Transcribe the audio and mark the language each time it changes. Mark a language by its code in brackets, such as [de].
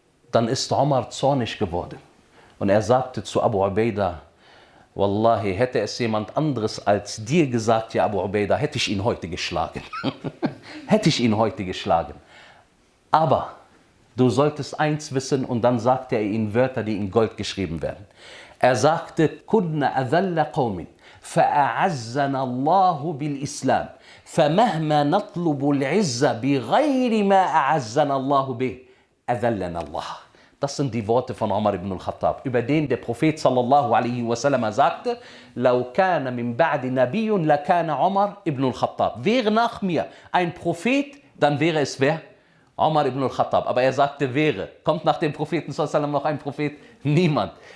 [de] Dann ist Umar zornig geworden. Und er sagte zu Abu Ubaidah, Wallahi, hätte es jemand anderes als dir gesagt, ja Abu Ubaidah, hätte ich ihn heute geschlagen. Hätte ich ihn heute geschlagen. Aber du solltest eins wissen, und dann sagte er ihm Wörter, die in Gold geschrieben werden. Er sagte, [ar] Kunna adhalla qawmin. فأعزنا الله بالإسلام فمهما نطلب العزة بغير ما أعزنا الله به أذلنا الله. [de] Das sind die Worte von Umar ibn al-Khattab, über den der Prophet sallallahu alaihi wasallam sagte, [ar] لو كان من بعد نبي لكان عمر ابن الخطاب. [de] Wäre nach mir ein Prophet, dann wäre es wer? Umar ibn al-Khattab. Aber er sagte wäre. Kommt nach dem Propheten sallallahu alaihi wasallam noch ein Prophet? Niemand.